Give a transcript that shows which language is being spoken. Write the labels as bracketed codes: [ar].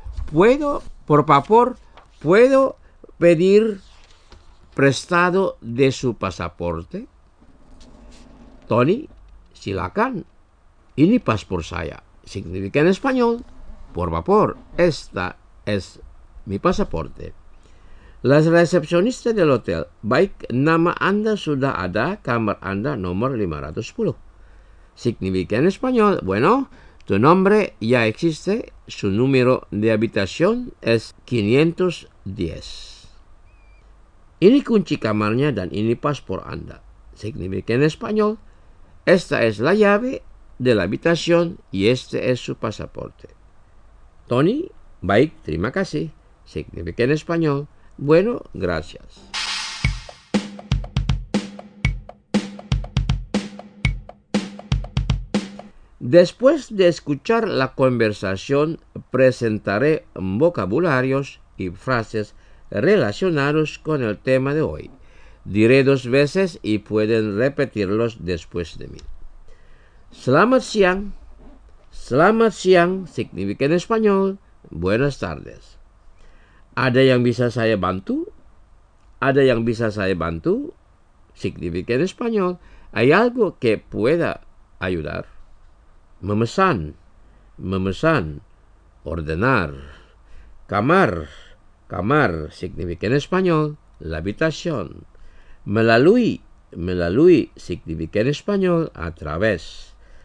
[es] ¿Puedo, por favor, puedo pedir prestado de su pasaporte? [id] Tony, silakan. Ini paspor saya. [es] Significa en español. Por favor, esta es mi pasaporte. La recepcionista del hotel. [id] Baik, nama Anda sudah ada, kamar Anda nomor 510. [es] Significa en español. Bueno, tu nombre ya existe, su número de habitación es 510. [id] Ini kunci kamarnya dan ini paspor Anda. [es] Significa en español. Esta es la llave de la habitación y este es su pasaporte. [id] Tony, baik, terima kasih. [es] Significa en español. Bueno, gracias. Después de escuchar la conversación, presentaré vocabularios y frases relacionados con el tema de hoy. Diré dos veces y pueden repetirlos después de mí. [id] Selamat siang. Selamat siang [es] significa en español buenas tardes. [id] Ada yang bisa saya bantu? Ada yang bisa saya bantu? [es] Significa en español. Hay algo que pueda ayudar? [id] Memesan. Memesan. [es] Ordenar. [id] Kamar. [es] Kamar significa en español la habitación. Melalui significa en español a través.